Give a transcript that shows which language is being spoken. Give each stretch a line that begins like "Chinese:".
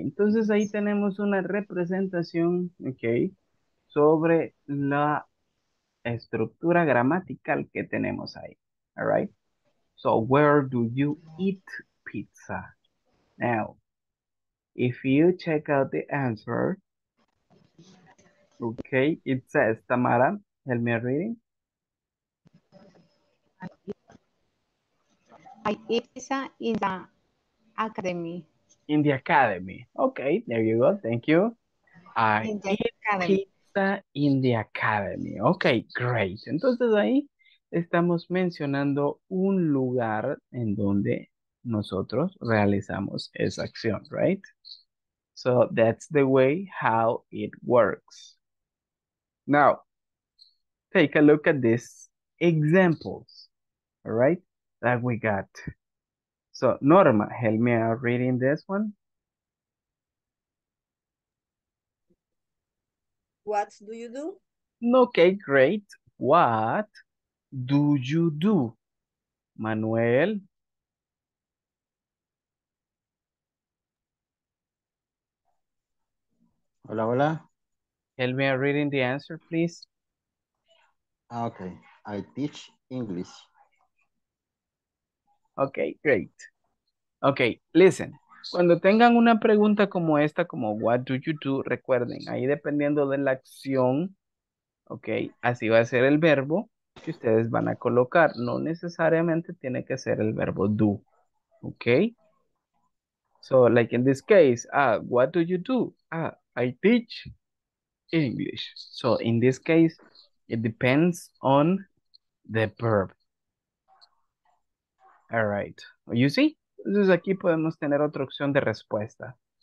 Spanish: Entonces ahí tenemos una representación, okay, sobre la estructura gramatical que tenemos ahí.
English: All right. So, where do you eat pizza? Now, if you check out the answer, okay, it says, Tamara, help me reading. I pizza in the academy. In the academy. Okay, there you go. Thank you. I In the eat academy. pizza in the academy. Okay, great.
Spanish: Entonces ahí estamos mencionando un lugar en donde nosotros realizamos esa acción, right?
English: So that's the way how it works. Now, take a look at these examples, all right, that we got. So, Norma, help me out reading this one. What do you do? Okay, great. What do you do, Manuel?
Spanish: Hola, hola.
English: Help me reading the answer, please. Okay, I teach English.
Spanish: Okay, great. Okay, listen. Cuando tengan una pregunta como esta, como what do you do, recuerden, ahí dependiendo de la acción. Ok, así va a ser el verbo que ustedes van a colocar. No necesariamente tiene que ser el verbo do. Ok.
English: So, like in this case, what do you do? I teach English. So, in this case, it depends on the verb. All right. You see?
Spanish: Entonces, aquí podemos tener otra opción de respuesta.